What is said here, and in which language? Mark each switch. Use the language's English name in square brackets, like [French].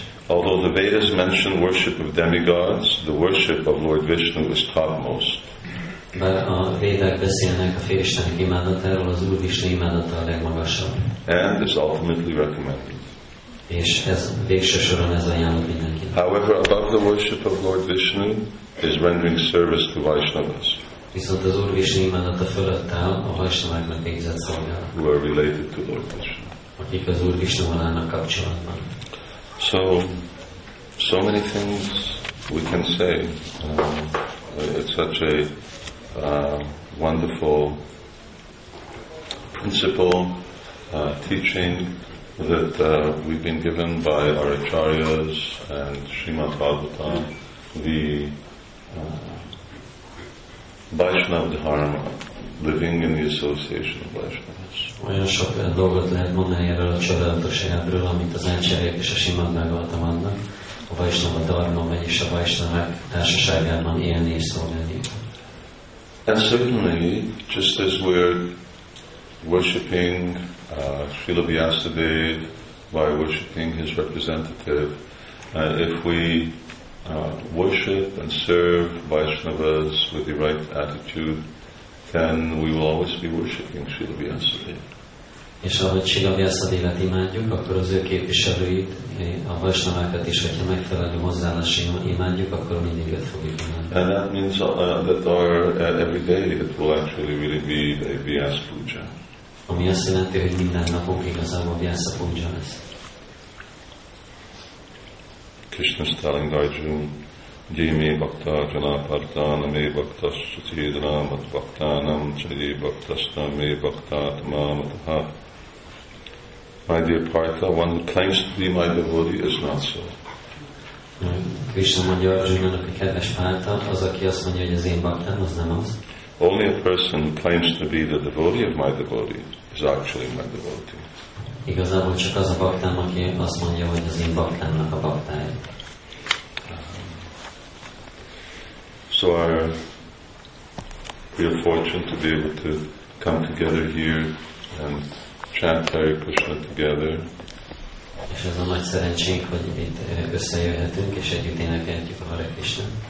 [English] Although the Vedas mention worship of demigods, the worship of Lord Vishnu is topmost. [Hungarian] De a védek beszélnek a félistenek imádatáról, az Úr Vishnu imádata a legmagasabb. [English] And is ultimately recommended. [Hungarian] És ez végső soron ez ajánlott mindenkinek. [English] However, above the worship of Lord Vishnu is rendering service to Vaishnavas. [Hungarian] Viszont az Úr Vishnu imádata fölött áll a Vaishnaváknak végzett szolgálat. [English] Who are related to Lord Vishnu. [Hungarian] Akik az Úr Vishnu vonalának kapcsolatban. [English] So many things we can say. It's such a wonderful principle, teaching that we've been given by our acharyas and Srimad Bhagavatam, the Vaishnava Dharma, living in the association of Vaishnavas. [Hungarian] Olyan sok dolgot lehet mondani erről a családosságról, amit az Acharyák és a Srimad Bhagavatam adnak. A Vaishnava Dharma, vagyis a Vaishnava társaságában élni és szolgálni. [English] And certainly, just as we're worshipping Srila Vyasadeva by worshipping his representative, if we worship and serve Vaishnavas with the right attitude, then we will always be worshipping Srila Vyasadeva. [Hungarian] És ahogy Srila Vyasadevát imádjuk, akkor az ő képviselőit, a Vaishnavákat is, hogyha megfelelő hozzáállással imádjuk, akkor mindig őt fogjuk imádni. [English] And that means that every day it will actually really be a Vyasa puja. [Hungarian] Ami azt jelenti, hogy minden napunk igazából Vyasa puja lesz. [English] Krishna's telling Arjuna, [Sanskrit] jīme bhaktā janāpartā namē bhaktā sucīdhanā mat bhaktānam chayi bhaktāstā me bhaktāt māmatahā. [English] My dear Partha, one who claims to be my devotee is not so. [Hungarian] Krishna mondja Arjunának, a kedves Partha, az, aki azt mondja, hogy az én bhaktám, az nem az. [English] Only a person who claims to be the devotee of my devotee is actually my devotee. [Hungarian] Igazából csak az a baktám, aki azt mondja, hogy az én baktámnak a baktája. [English] So our real fortune to be able to come together here and chant Hare Krishna together. [Hungarian] És ez a nagy szerencsénk, hogy itt összejöhetünk és együtt énekeljük a Hare Krishna.